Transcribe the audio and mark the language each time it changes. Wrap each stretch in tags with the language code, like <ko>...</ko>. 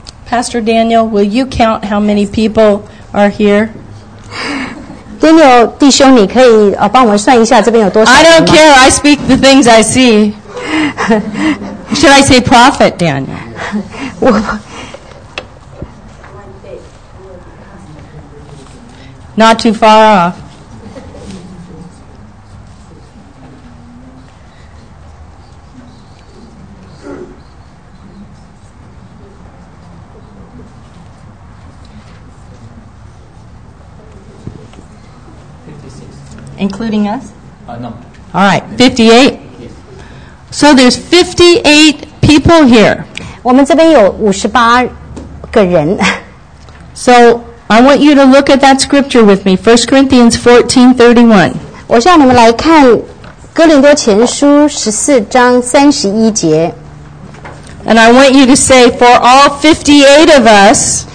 <en>Pastor Daniel, will you count how many people are here?</en> <zh>Daniel, 弟兄，你可以帮我们算一下这边有多少人吗？</zh> <en>I don't care. I speak the things I see. Should I say prophet, Daniel?</en> <zh>我</zh> <en>Not too far off. Including us? No. All right, 58. So there's 58 people here.</en> <zh>我们这边有58个人。</zh> <en>So I want you to look at that scripture with me, 1 Corinthians 14:31.</en> <zh>我希望你们来看哥林多前书14章31节。</zh> <en>And I want you to say, for all 58 of us,</en>